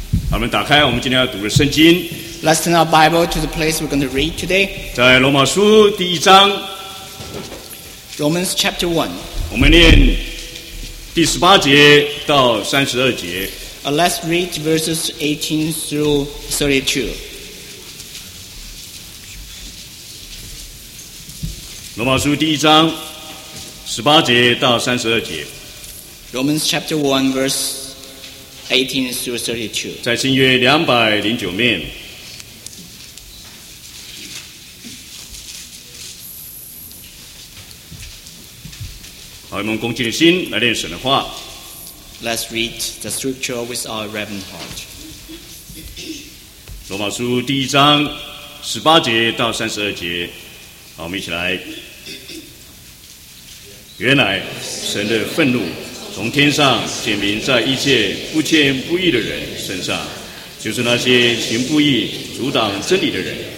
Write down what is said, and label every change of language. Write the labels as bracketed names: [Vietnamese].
[Chinese] 我们打开我们今天要读的圣经。 [English] Let's turn our Bible to the place we're going to read today. [Chinese] 在罗马书第一章。 [English] Romans chapter 1. [Chinese] 我们念第十八节到三十二节。 [English] Let's read verses 18 through 32. [Chinese] 罗马书第一章十八节到三十二节。 [English] Romans chapter 1 verse 18 through 32. [Chinese] 在新约两百零九面。好，我们恭敬的心来念神的话。 [English] Let's read the scripture with our reverent heart. [Chinese] 罗马书第一章十八节到三十二节。好，我们一起来。原来神的愤怒从天上显明在一切不谦不义的人身上，就是那些行不义阻挡真理的人。